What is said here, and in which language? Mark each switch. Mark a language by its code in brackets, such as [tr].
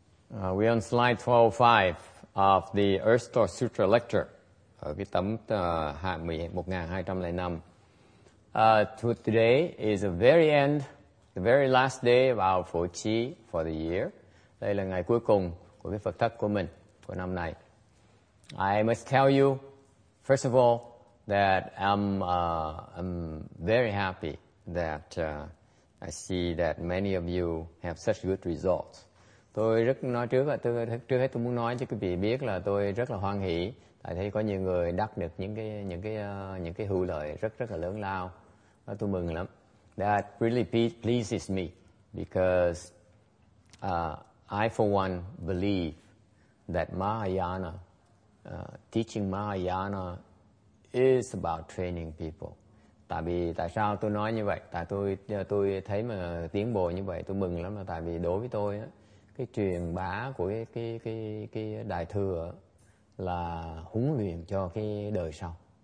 [en] We're on slide 12.5 of the Ersto Sutra lecture. [vi] Ở cái tấm 1205. [en] Today is the very end, the very last day of our Phổ Chi for the year. [vi] Đây là ngày cuối cùng của cái Phật thất của mình của năm nay. [en] I must tell you, first of all, that I'm very happy that I see that many of you have such good results. [vi] Tôi rất nói trước là trước hết tôi muốn nói cho quý vị biết là tôi rất là hoan hỷ tại thấy có nhiều người đắc được những cái hữu lợi rất rất là lớn lao và tôi mừng lắm. [en] That really pleases me because I for one believe that Mahayana, teaching Mahayana is about training people. [vi] Tại vì tại sao tôi nói như vậy? Tại tôi thấy mà tiến bộ như vậy tôi mừng lắm là tại vì đối với tôi á, cái truyền bá của cái đại thừa là huấn luyện cho cái đời sau.